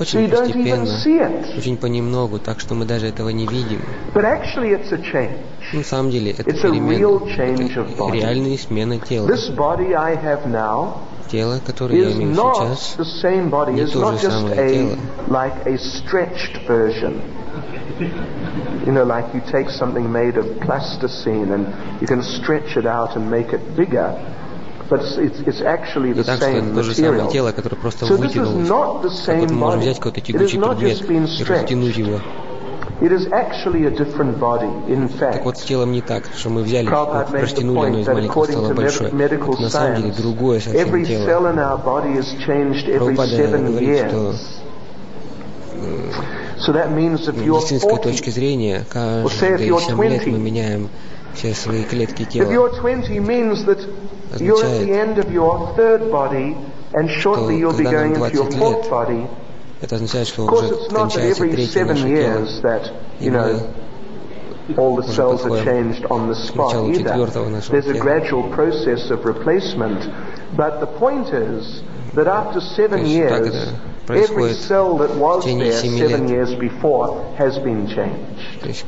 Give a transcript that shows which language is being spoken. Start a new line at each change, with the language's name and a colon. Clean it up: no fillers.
Russian: Очень постепенно, очень понемногу, так что мы даже этого не видим. На самом деле, это перемена. Это реальная смена тела. Тело, которое я имею сейчас, не то же самое тело.
English: Like a stretched version. Like you take something made of plasticine and you can stretch it out and make it bigger. But it's actually the same material.
Russian: Тело, которое просто вытянулось. Как вот мы можем взять какой-то тягучий предмет и растянуть его. Так вот, с телом не так, что мы взяли, растянули, оно из маленького стало большое. Это на самом деле другое совсем тело. Прабхупада говорит, что
English: so that means if you're 40,
Russian: с точки зрения, каждые 7 лет мы меняем все свои клетки тела.
English: If you're 20, means that you're at the end of your third body, and shortly you'll be going into your fourth body.
Russian: Это означает, что уже кончается третье наше тело.
English: All the cells are changed on the spot either. There's a gradual process of replacement, but the point is that after 7 years, every cell that was there 7 years before has been changed.